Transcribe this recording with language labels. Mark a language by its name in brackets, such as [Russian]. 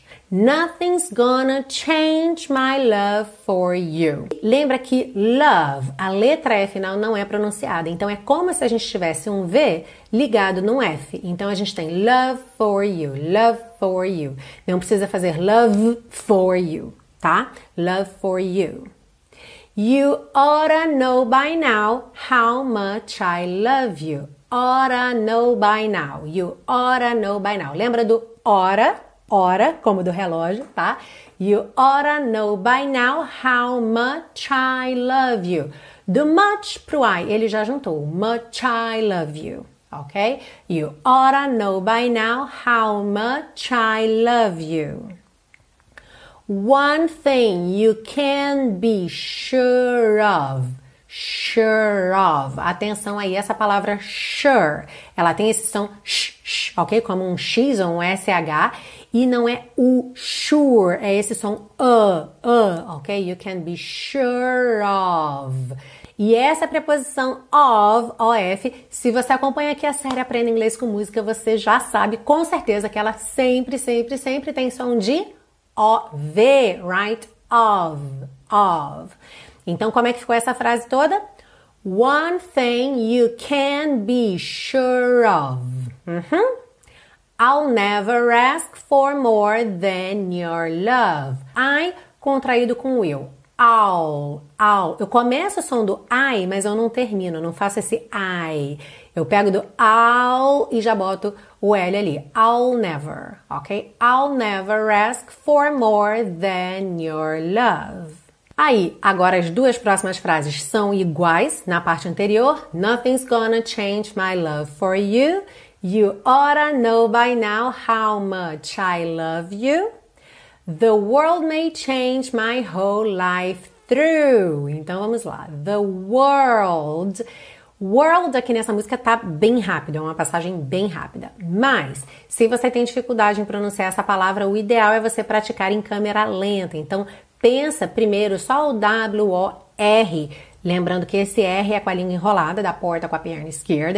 [English] Nothing's gonna change my love for you. [Portuguese] Lembra que love, a letra F final não é pronunciada. Então é como se a gente tivesse um V ligado num F. Então a gente tem [English] love for you. [Portuguese] Não precisa fazer [English] love for you, [Portuguese] tá? [English] Love for you. You oughta know by now how much I love you. Oughta know by now. You oughta know by now. [Portuguese] Lembra do oughta? Ora, como do relógio, tá? [English] You oughta know by now how much I love you. [Portuguese] Do much pro I, ele já juntou. [English] Much I love you, ok? You oughta know by now how much I love you. One thing you can be sure of. Sure of. [Portuguese] Atenção aí, essa palavra sure, ela tem esse som sh, ok? Como um X ou um SH. E não é o sure, é esse som ok? [English] You can be sure of. [Portuguese] E essa preposição of, O-F, se você acompanha aqui a série Aprenda Inglês com Música, você já sabe com certeza que ela sempre tem som de O-V, right? Of. Então, como é que ficou essa frase toda? [English] One thing you can be sure of. Uhum. I'll never ask for more than your love. [Portuguese] I, contraído com will. I'll. Eu começo o som do I, mas eu não termino, não faço esse I. Eu pego do I'll e já boto o L ali. [English] I'll never, ok? I'll never ask for more than your love. [Portuguese] Aí, agora as duas próximas frases são iguais na parte anterior. [English] Nothing's gonna change my love for you. You oughta know by now how much I love you. The world may change my whole life through. [Portuguese] Então vamos lá. [English] The world. [Portuguese] World aqui nessa música tá bem rápido, é uma passagem bem rápida. Mas, se você tem dificuldade em pronunciar essa palavra, o ideal é você praticar em câmera lenta. Então, pensa primeiro só o W-O-R. Lembrando que esse R é com a língua enrolada da porta com a perna esquerda.